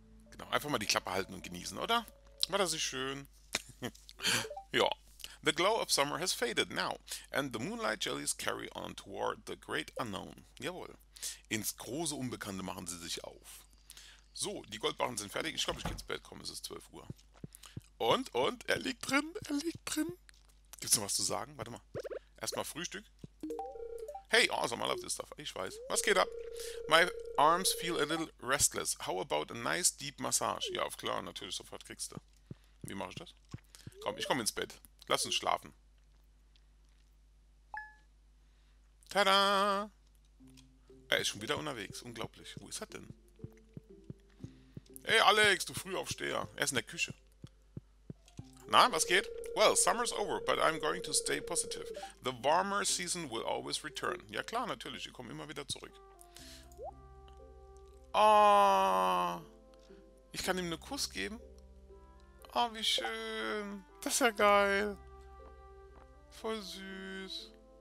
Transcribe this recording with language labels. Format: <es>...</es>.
<de>Genau, einfach mal die Klappe halten und genießen, oder? War das nicht schön? Ja.</de> <en>The glow of summer has faded now, and the moonlight jellies carry on toward the great unknown.</en> <de>Jawohl. Ins große Unbekannte machen sie sich auf. So, die Goldbarren sind fertig. Ich glaube, ich gehe ins Bett kommen. Es ist 12 Uhr. Und, er liegt drin, er liegt drin. Gibt's noch was zu sagen? Warte mal. Erstmal Frühstück.</de> <en>Hey, awesome, I love this stuff.</en> <de>Ich weiß. Was geht ab?</de> <en>My arms feel a little restless. How about a nice deep massage?</en> <de>Ja, auf klar, natürlich, sofort kriegst du. Wie mache ich das? Komm, ich komme ins Bett. Lass uns schlafen. Tada! Er ist schon wieder unterwegs. Unglaublich. Wo ist er denn? Hey, Alex, du Frühaufsteher. Er ist in der Küche. Na, was geht?</de> <en>Well, summer's over, but I'm going to stay positive. The warmer season will always return.</en> <de>Ja klar, natürlich, ich komme immer wieder zurück. Oh, ich kann ihm einen Kuss geben. Oh, wie schön. Das ist ja geil. Voll süß.</de>